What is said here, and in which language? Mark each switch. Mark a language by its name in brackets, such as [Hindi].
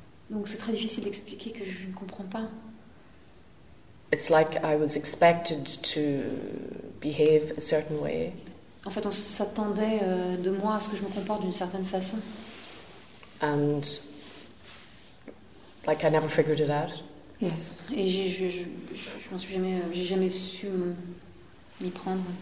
[French] Donc c'est très difficile d'expliquer que je ne comprends pas. [English] It's like I was expected to behave a certain way. [French] En fait, on s'attendait de moi à ce que je me comporte d'une certaine façon. [English] And like I never figured it out. Yes. [French] Et je m'en suis jamais, j'ai jamais su m'y prendre.